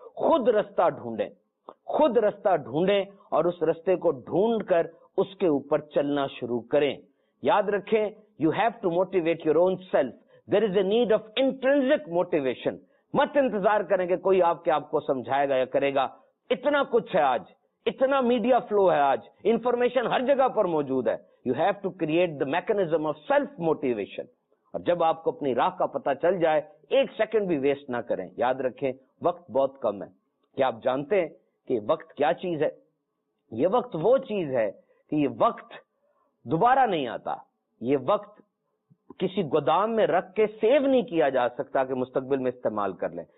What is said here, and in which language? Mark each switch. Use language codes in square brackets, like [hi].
[ur] خود رستہ ڈھونڈیں, خود رستہ ڈھونڈیں اور اس رستے کو ڈھونڈ کر اس کے اوپر چلنا شروع کریں. یاد رکھیں, [en] You have to motivate your own self, there is a need of intrinsic motivation. [ur] مت انتظار کریں کہ کوئی آپ کو سمجھائے گا یا کرے گا. اتنا کچھ ہے آج, اتنا میڈیا فلو ہے آج, انفارمیشن ہر جگہ پر موجود ہے. [en] You have to create the mechanism of self-motivation. [ur] اور جب آپ کو اپنی راہ کا پتہ چل جائے, ایک سیکنڈ بھی ویسٹ نہ کریں. یاد رکھیں, وقت بہت کم ہے. کیا آپ جانتے ہیں کہ وقت کیا چیز ہے؟ یہ وقت وہ چیز ہے کہ یہ وقت دوبارہ نہیں آتا. یہ وقت کسی گودام میں رکھ کے سیو نہیں کیا جا سکتا کہ مستقبل میں استعمال کر لیں.